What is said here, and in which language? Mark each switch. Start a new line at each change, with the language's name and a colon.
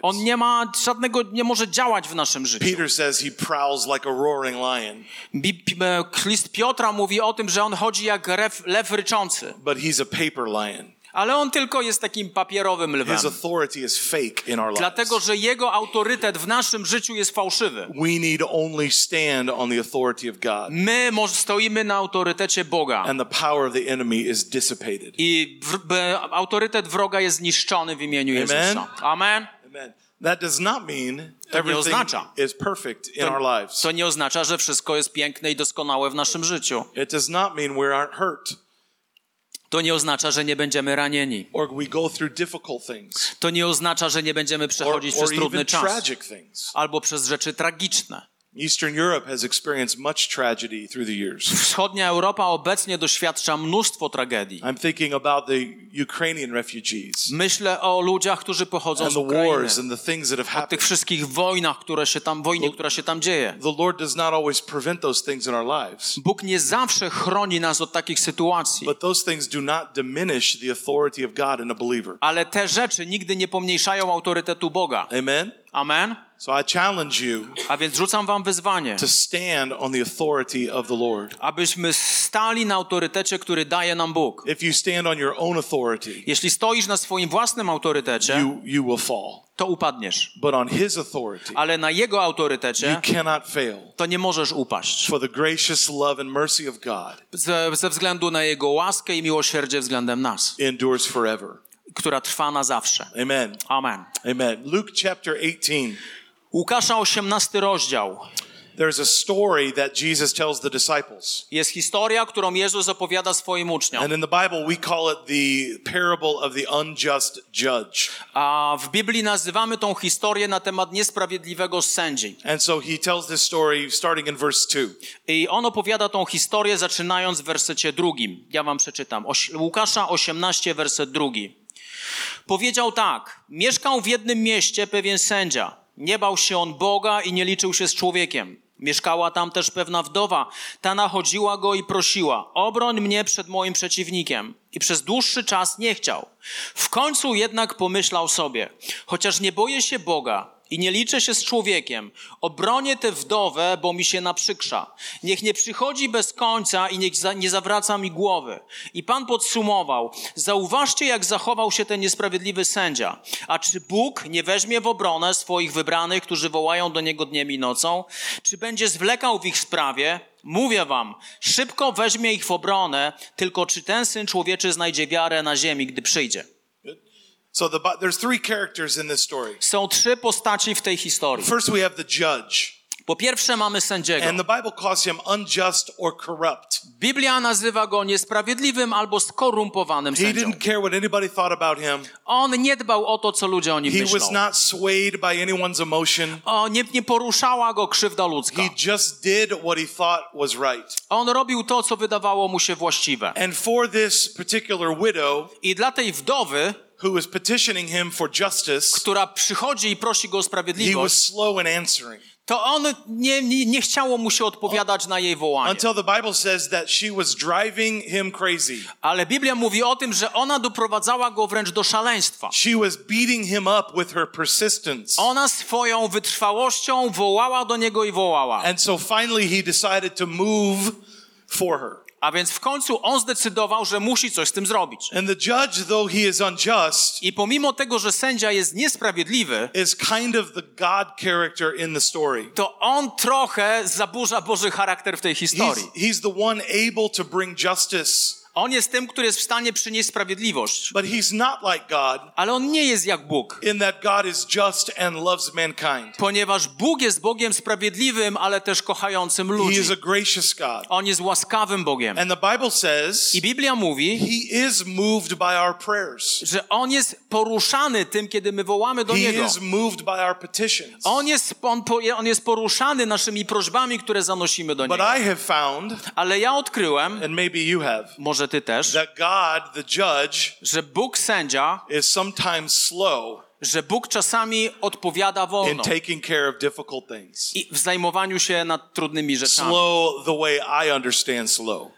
Polish: On nie ma żadnego, nie może działać w naszym życiu.
English: Peter says he prowls like a roaring lion.
Polish: List Piotra mówi o tym, że on chodzi jak lew ryczący.
English: But he's a paper lion.
Polish: Ale on tylko jest takim papierowym lwem.
English: His authority is fake in our lives.
Polish: Dlatego, że jego autorytet w naszym życiu jest fałszywy.
English: We need only stand on the authority of God.
Polish: My stoimy na autorytecie Boga.
English: And the power of the enemy is dissipated.
Polish: I autorytet wroga jest zniszczony w imieniu
English: Amen.
Polish: Jezusa. Amen. Amen.
English: That does not mean everything
Polish: oznacza,
English: is perfect in our lives.
Polish: To nie oznacza, że wszystko jest piękne i doskonałe w naszym życiu.
English: It does not mean we aren't hurt.
Polish: To nie oznacza, że nie będziemy ranieni.
English: Or we go through difficult things.
Polish: To nie oznacza, że nie będziemy przechodzić przez trudny czas.
English: Tragic things.
Polish: Albo przez rzeczy tragiczne.
English: Eastern Europe has experienced much tragedy through the years.
Polish: Wschodnia Europa obecnie doświadcza mnóstwo tragedii.
English: I'm thinking about the Ukrainian refugees.
Polish: Myślę o ludziach, którzy pochodzą z Ukrainy.
English: And the wars and the things that have happened.
Polish: O tych wszystkich wojnach, która się tam dzieje.
English: The Lord does not always prevent those things in our lives.
Polish: Bóg nie zawsze chroni nas od takich sytuacji.
English: But those things do not diminish the authority of God in a believer.
Polish: Ale te rzeczy nigdy nie pomniejszają autorytetu Boga.
English: Amen.
Polish: Amen.
English: So I challenge you.
Polish: A więc rzucam wam wyzwanie.
English: To stand on the authority of the Lord.
Polish: Abyśmy stali na autorytecie, który daje nam Bóg.
English: If you stand on your own authority.
Polish: Jeśli stoisz na swoim własnym autorytecie,
English: you will fall.
Polish: To upadniesz.
English: But on his authority.
Polish: Ale na jego autorytecie.
English: You cannot fail.
Polish: To nie możesz upaść.
English: For the gracious love and mercy of God.
Polish: Ze względu na jego łaskę i miłosierdzie względem nas.
English: Endures forever.
Polish: która trwa na zawsze.
English: Amen.
Polish: Amen.
English: Amen. Luke chapter 18.
Polish: Łukasza 18 rozdział.
English: There's a story that Jesus tells the disciples.
Polish: Jest historia, którą Jezus opowiada swoim uczniom.
English: And in the Bible we call it the parable of the unjust judge.
Polish: A w Biblii nazywamy tą historię na temat niesprawiedliwego sędzi.
English: And so he tells this story starting in verse 2.
Polish: I on opowiada tą historię zaczynając w wersecie drugim. Ja wam przeczytam. Łukasza 18, werset drugi. Powiedział tak: mieszkał w jednym mieście pewien sędzia. Nie bał się on Boga i nie liczył się z człowiekiem. Mieszkała tam też pewna wdowa. Ta nachodziła go i prosiła: obroń mnie przed moim przeciwnikiem. I przez dłuższy czas nie chciał. W końcu jednak pomyślał sobie: chociaż nie boję się Boga i nie liczę się z człowiekiem, obronię tę wdowę, bo mi się naprzykrza. Niech nie przychodzi bez końca i niech nie zawraca mi głowy. I Pan podsumował: zauważcie, jak zachował się ten niesprawiedliwy sędzia. A czy Bóg nie weźmie w obronę swoich wybranych, którzy wołają do Niego dniem i nocą? Czy będzie zwlekał w ich sprawie? Mówię wam, szybko weźmie ich w obronę, tylko czy ten Syn Człowieczy znajdzie wiarę na ziemi, gdy przyjdzie?
English: So there's three characters in this story.
Polish: Są trzy postaci w tej historii.
English: First we have the judge.
Polish: Po pierwsze mamy sędziego.
English: And the Bible calls him unjust or corrupt.
Polish: Biblia nazywa go niesprawiedliwym albo skorumpowanym sędzią.
English: He didn't care what anybody thought about him.
Polish: On nie dbał o to, co ludzie o nim
English: He
Polish: myślą.
English: Was not swayed by anyone's emotion.
Polish: O, nie poruszała go krzywda ludzka.
English: He just did what he thought was right.
Polish: On robił to, co wydawało mu się właściwe.
English: And for this particular widow,
Polish: i dla tej wdowy,
English: who is petitioning him for justice,
Polish: która przychodzi i prosi go o sprawiedliwość,
English: he was slow in answering.
Polish: To on nie chciało mu się odpowiadać na jej wołanie.
English: Until the Bible says that she was driving him crazy.
Polish: Ale Biblia mówi o tym, że ona doprowadzała go wręcz do szaleństwa.
English: She was beating him up with her persistence.
Polish: Ona swoją wytrwałością wołała do niego i wołała.
English: And so finally he decided to move for her.
Polish: A więc w końcu on zdecydował, że musi coś z tym zrobić.
English: And the judge, though he is unjust,
Polish: i pomimo tego, że sędzia jest niesprawiedliwy,
English: is kind of the God character in the story.
Polish: To on trochę zaburza Boży charakter w tej historii.
English: He's the one able to bring justice.
Polish: On jest tym, który jest w stanie przynieść sprawiedliwość.
English: But he's not like God,
Polish: ale on nie jest jak Bóg.
English: In that God is just and loves mankind.
Polish: Ponieważ Bóg jest Bogiem sprawiedliwym, ale też kochającym ludzi.
English: He is a gracious God.
Polish: On jest łaskawym Bogiem.
English: And the Bible says,
Polish: i Biblia mówi,
English: he is moved by our prayers.
Polish: Że on jest poruszany tym, kiedy my wołamy do
English: he
Polish: Niego.
English: Is moved by our petitions.
Polish: On jest poruszany naszymi prośbami, które zanosimy do Niego.
English: But I have found,
Polish: ale ja odkryłem,
English: and maybe you have,
Polish: że ty też,
English: that God, the judge,
Polish: że Bóg sędzia,
English: is sometimes slow,
Polish: że Bóg czasami odpowiada wolno,
English: in taking care of difficult things.
Polish: I w zajmowaniu się nad trudnymi rzeczami.
English: Slow the way I understand slow.